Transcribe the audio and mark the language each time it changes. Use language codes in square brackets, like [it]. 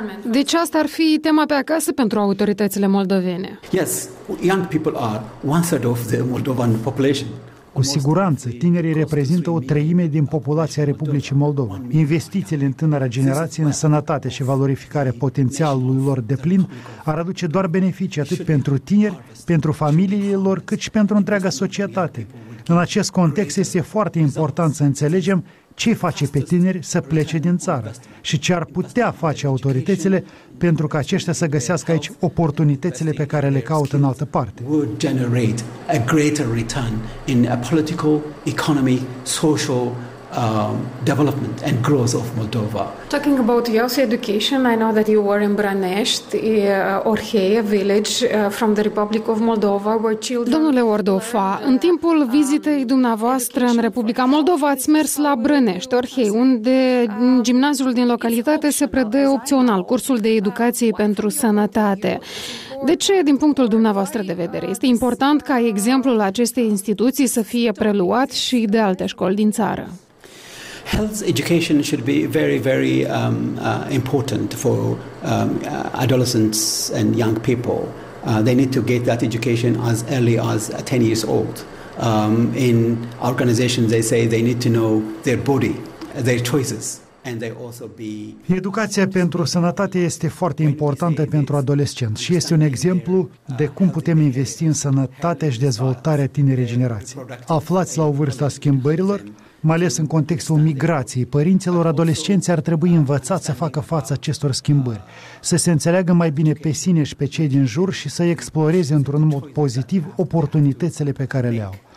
[ro] Deci asta ar fi tema pe acasă pentru autoritățile moldovene. [en] Yes, young people are one third of the Moldovan population. [ro] Cu siguranță, tinerii reprezintă o treime din populația Republicii Moldova. Investițiile în tânăra generație, în sănătate și valorificarea potențialului lor deplin, ar aduce doar beneficii atât pentru tineri, pentru familiile lor, cât și pentru întreaga societate. În acest context este foarte important să înțelegem ce face pe tineri să plece din țară și ce ar putea face autoritățile pentru ca aceștia să găsească aici oportunitățile pe care le caută în altă parte. [en] Would generate a greater return in a political, economic, social development and growth of Moldova. Talking about Yos education, I know that you were in Branești, Orhei, a village from the Republic of Moldova, where children... [ro] Domnule Ordofa, în timpul vizitei dumneavoastră în Republica Moldova, ați mers la Brănești, Orhei, unde gimnaziul din localitate se predă opțional cursul de educație pentru sănătate. De ce, din punctul dumneavoastră de vedere, este important ca exemplul acestei instituții să fie preluat și de alte școli din țară? [en] Health education should be very, very important for adolescents and young people. They need to get that education as early as 10 years old. In organizations, they say they need to know their body, their choices. [ro] Educația pentru sănătate este foarte importantă pentru adolescenți și este un exemplu de cum putem investi în sănătatea și dezvoltarea tinerii generații. Aflați la o vârstă a schimbărilor, mai ales în contextul migrației, părinților, adolescenții ar trebui învățați să facă față acestor schimbări, să se înțeleagă mai bine pe sine și pe cei din jur și să exploreze într-un mod pozitiv oportunitățile pe care le au.